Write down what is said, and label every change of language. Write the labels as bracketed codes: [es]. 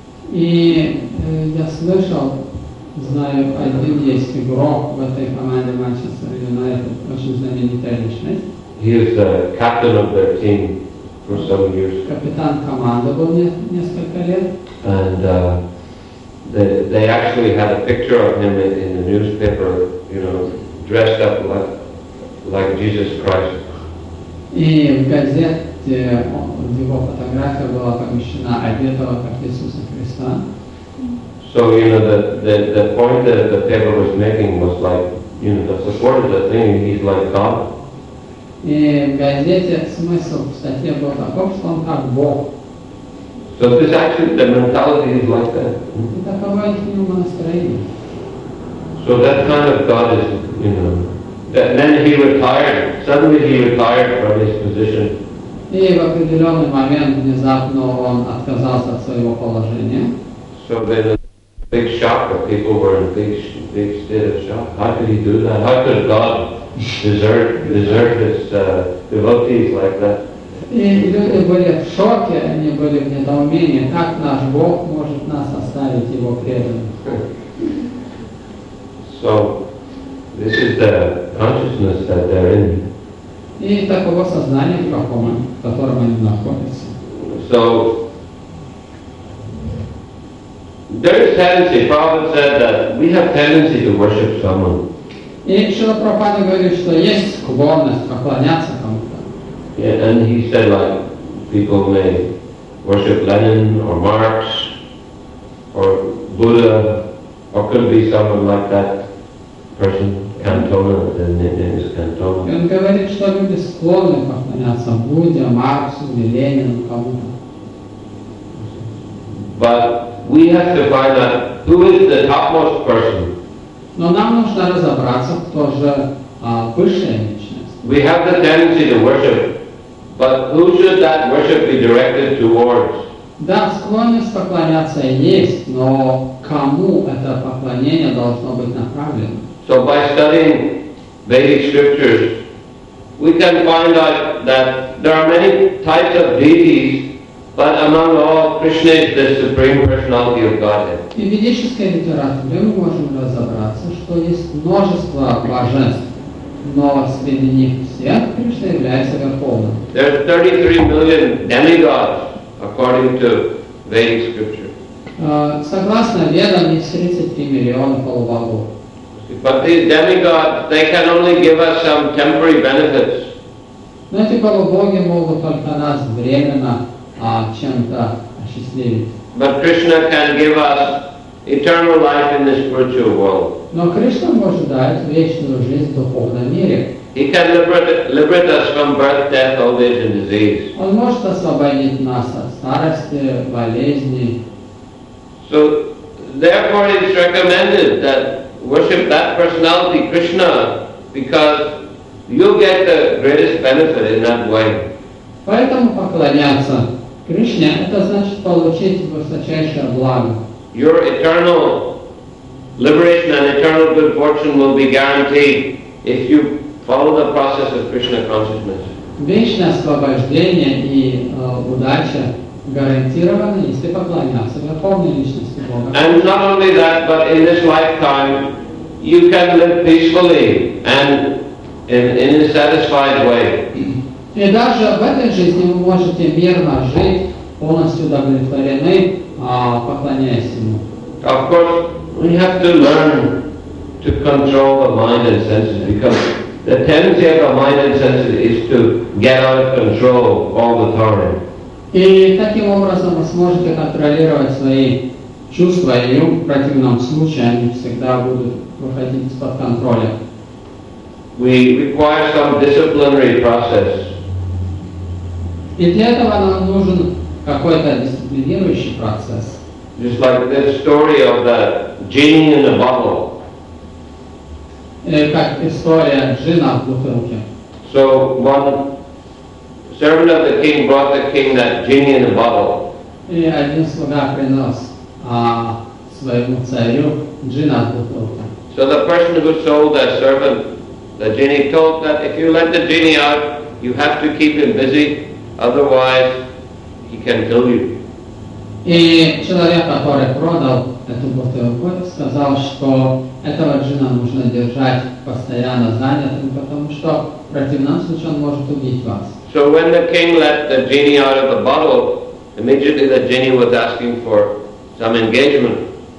[en] He is the captain of their team for some years. And they actually had a picture of him in the newspaper. You know, dressed up like like Jesus Christ. [ru] И в газете, в его фотография была помещена, одетого как Иисуса Христа. [en] So, you know, the point that the paper was making was like, you know, the support of the thing, he's like God. [ru] И в газете смысл в статье был таков, что он как Бог. [en] So this actually, the mentality is like that. [ru] И таково их настроение. [en] So that kind of God is, you know, that, then he retired, suddenly he retired from his position. [ru] И в определенный момент внезапно он отказался от своего положения. [en] So then a big shock, the people were in a big, big state of shock. How could he do that? How could God desert his devotees like that? [ru] И люди были в шоке, они были в недоумении, как наш Бог может нас оставить Его преданных. [en] So, this is the consciousness that they're in. [ru] И такого сознания, в котором они находятся. [en] So, there is tendency, Prabhupada said that we have tendency to worship someone. [ru] И Шрила Прабхупада говорит, что есть склонность поклоняться кому-то. [en] Yeah, and he said, like, people may worship Lenin or Marx or Buddha or could be someone like that person, Cantona, the name is Cantona. [ru] И он говорит, что люди склонны поклоняться Будде, Марксу или Ленину кому-то. [en] But we have to find out who is the topmost person. [ru] Но нам нужно разобраться, кто же высшая личность. [en] We have the tendency to worship, but who should that worship be directed towards? [ru] Да, склонность поклоняться есть, но кому это поклонение должно быть направлено? [en] So by studying Vedic scriptures, we can find out that there are many types of deities, but among all, Krishna is the supreme personality of Godhead. [ru] И в ведической литературе мы можем разобраться, что есть множество блаженств, но среди них всех Кришна является Верховным. [en] There are 33 million demigods, according to Vedic scripture. [ru] Согласно Ведам, есть 33 миллиона полубогов. [en] But these demigods, they can only give us some temporary benefits. [ru] Но эти полубоги могут только нас временно чем-то осчастливить. [en] But Krishna can give us eternal life in the spiritual world. [ru] Но Кришна может дать вечную жизнь в духовном мире. [en] He can liberate us from birth, death, old age and disease. [ru] Он может освободить нас от старости, болезни. [en] So, therefore it's recommended that worship that personality, Krishna, because you get the greatest benefit in that way. [ru] Поэтому поклоняться Кришне, это значит получить высочайшее благо. [en] Your eternal liberation and eternal good fortune will be guaranteed if you follow the process of Krishna consciousness. [ru] Вечное освобождение и удача гарантированы, если поклоняться Верховной Личности Бога. [en] And not only that, but in this lifetime you can live peacefully and in a satisfied way. [ru] И даже в этой жизни вы можете мирно жить, полностью удовлетворены, поклоняясь Ему. [en] Of course, we have to learn to control the mind and senses, because the tendency of the mind and senses is to get out of control all the time. [ru] И таким образом вы сможете контролировать свои чувства, и в противном случае они всегда будут выходить из-под контроля. [en] We require some disciplinary process. [ru] И для этого нам нужен какой-то дисциплинирующий процесс. [en] Just like the story of the genie in the bottle. [ru] Как история джина в бутылке. [en] So one servant of the king brought the king that genie in the bottle. [ru] И один слуга принес своему царю джина в бутылке. [en] So the person who sold that servant, the genie, told that if you let the genie out, you have to keep him busy. Otherwise, he can kill you. [ru] И человек, который продал эту бутылку, сказал, что этого джина нужно держать постоянно занятым, потому что в противном случае он может убить вас. [en] So when the king let the genie out of the bottle, immediately the genie was asking for some engagement.